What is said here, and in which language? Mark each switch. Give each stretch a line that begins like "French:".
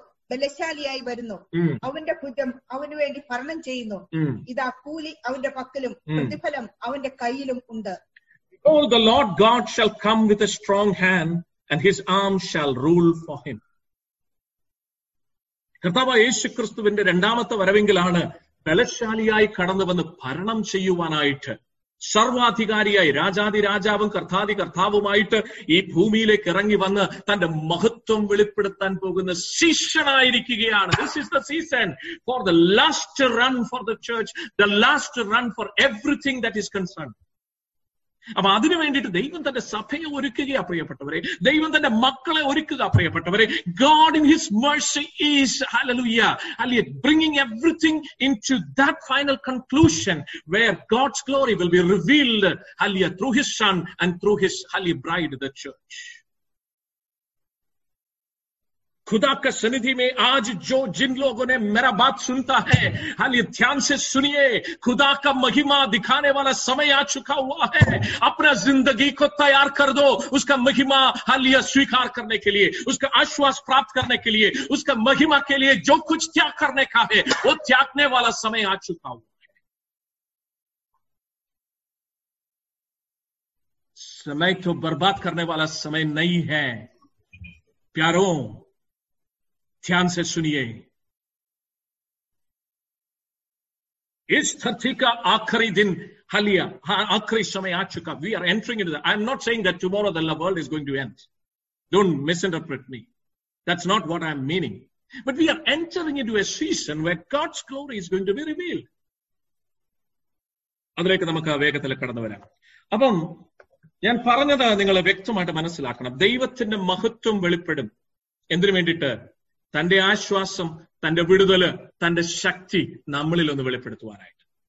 Malayalam: ബലശാലിയായി വരുന്നു, അവന്റെ ഭുജം അവന് വേണ്ടി ഭരണം ചെയ്യുന്നു, ഇതാ കൂലി അവന്റെ പക്കലും പ്രതിഫലം അവന്റെ കയ്യിലും ഉണ്ട്.
English: Oh, the Lord God shall come with a strong hand and his arm shall rule for him.
Malayalam: കർത്താവായ യേശുക്രിസ്തുവിന്റെ രണ്ടാമത്തെ വരവെങ്കിലാണ് ബലശാലിയായി കടന്നു വന്ന് ഭരണം ചെയ്യുവാനായിട്ട് സർവാധികാരിയായി രാജാദി രാജാവും കർത്താദി കർത്താവുമായിട്ട് ഈ ഭൂമിയിലേക്ക് ഇറങ്ങി വന്ന് തന്റെ മഹത്വം വെളിപ്പെടുത്താൻ പോകുന്ന ശിഷ്യനായിരിക്കുകയാണ്.
English: This is the season for the last run for the church, the last run for everything that is concerned.
Malayalam: അപ്പൊ അതിനു വേണ്ടിയിട്ട് ദൈവം തന്റെ സഭയെ ഒരുക്കുക, പ്രിയപ്പെട്ടവരെ. ദൈവം തന്റെ മക്കളെ ഒരുക്കുക, പ്രിയപ്പെട്ടവരെ.
English: God in his mercy is hallelujah, hallelujah, bringing everything into that final conclusion where God's glory will be revealed, hallelujah, through his son and through his hallelujah bride, the church.
Hindi: खुदा के सन्निधि में आज जो जिन लोगों ने मेरा बात सुनता है, हाल ये ध्यान से सुनिए, खुदा का महिमा दिखाने वाला समय आ चुका हुआ है. अपना जिंदगी को तैयार कर दो उसका महिमा हाल ये स्वीकार करने के लिए, उसका आश्वास प्राप्त करने के लिए, उसका महिमा के लिए. जो कुछ त्याग करने का है वो त्यागने वाला समय आ चुका हुआ है. समय तो बर्बाद करने वाला समय नहीं है प्यारों, ध्यान से सुनिए. इस धरती का आखिरी दिन हालिया आखिरी समय आ चुका.
English: We are entering into that. I am not saying that tomorrow the world is going to end, don't misinterpret me, that's not what I am meaning. But we are entering into a season where God's glory is going to be revealed.
Malayalam: അതിലേക്ക് നമുക്ക് വേഗത്തിൽ കടന്നു വരാം. അപ്പം ഞാൻ പറഞ്ഞത് നിങ്ങൾ വ്യക്തമായിട്ട് മനസ്സിലാക്കണം. ദൈവത്തിന്റെ മഹത്വം വെളിപ്പെടും. എന്തിനു വേണ്ടിയിട്ട്? തന്റെ ആശ്വാസം, തന്റെ വിടുതല്, തന്റെ ശക്തി നമ്മളിൽ ഒന്ന് വെളിപ്പെടുത്തുവാനായിട്ട്.